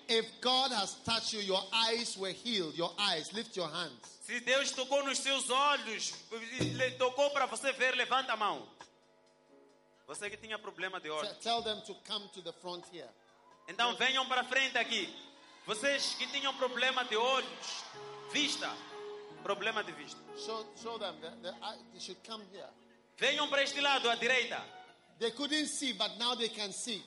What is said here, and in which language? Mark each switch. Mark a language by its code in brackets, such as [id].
[en] If God has touched you, your eyes were healed. Your eyes, lift your hands. [pt] Se Deus tocou nos seus olhos, tocou para você ver, levanta a mão. Você que tinha problema de olho. [en] Tell them to come to the front here. [pt] Então venham para frente aqui. Vocês que tinham problema de olhos, vista, problema de vista. [en] Show them they should come here. [pt] Venham para este lado, à direita. [en] They couldn't see, but now they can see.